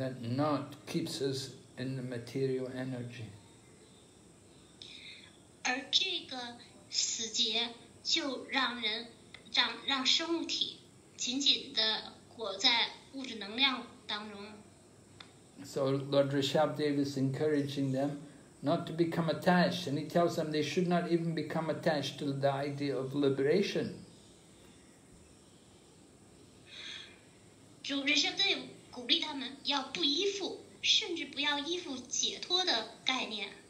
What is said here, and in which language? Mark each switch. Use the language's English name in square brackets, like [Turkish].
[English] that knot keeps us in the material energy. And this knot keeps us in the material energy. [Chinese] 让生物体紧紧地裹在物质能量当中。 [English] So Lord Rishabhdev is encouraging them not to become attached, and he tells them they should not even become attached to the idea of liberation. [Chinese] 主 Rishabhdev 鼓励他们要不依附，甚至不要依附解脱的概念。概念。